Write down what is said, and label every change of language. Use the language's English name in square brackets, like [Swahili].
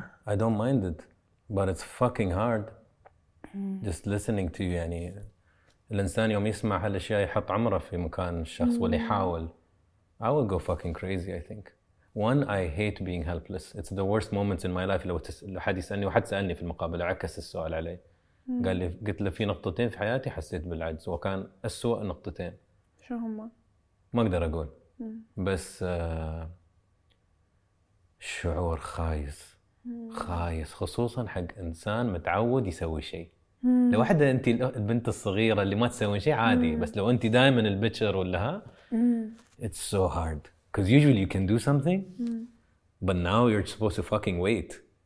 [English] I don't mind it, but it's fucking hard. Just listening to you. [Arabic] يعني الإنسان يوم يسمع هالأشياء يحط عمره في مكان الشخص واللي يحاول. [English] I will go fucking crazy, I think. One, I hate being helpless. It's the worst moment in my life. [Arabic] لو حد يسألني، وحد سألني في المقابلة عكس السؤال علي، قال لي، قلت له في نقطتين في حياتي حسيت بالعجز، وكان أسوأ نقطتين. شو هما؟ ما أقدر أقول. بس شعور خايس. خايس خصوصا حق إنسان متعود يسوي شيء. لوحدة أنت البنت الصغيرة اللي ما تسوي شيء عادي، بس لو أنت دائما البتشر ولا ها. [English] It's so hard. Because usually you can do something, but now you're supposed to fucking wait.